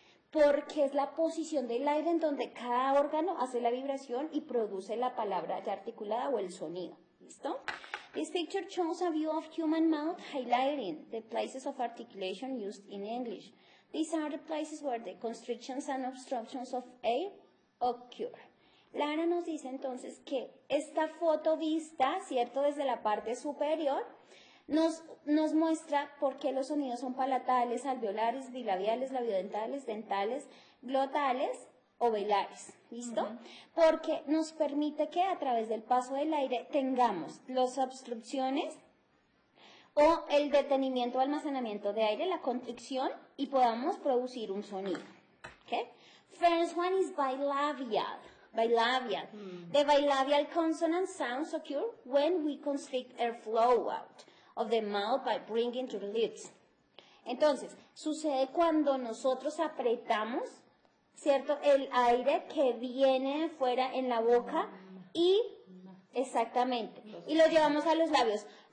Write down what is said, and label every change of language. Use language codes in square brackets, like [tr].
[es] Porque es la posición del aire en donde cada órgano hace la vibración y produce la palabra ya articulada o el sonido. ¿Listo? [en] This picture shows a view of human mouth highlighting the places of articulation used in English. These are the places where the constrictions and obstructions of air occur. [es] Lara nos dice entonces que esta foto vista, ¿cierto?, desde la parte superior, nos muestra por qué los sonidos son palatales, alveolares, bilabiales, labiodentales, dentales, glotales o velares, ¿listo? Uh-huh. Porque nos permite que a través del paso del aire tengamos las obstrucciones o el detenimiento o almacenamiento de aire, la contricción, y podamos producir un sonido, ¿ok? [en] First one is bilabial. Bilabial. The bilabial consonant sounds occur when we constrict airflow out of the mouth by bringing to the lips. [es] Entonces, sucede cuando nosotros apretamos, ¿cierto?, el aire que viene de fuera en la boca y, exactamente, y lo llevamos a los labios.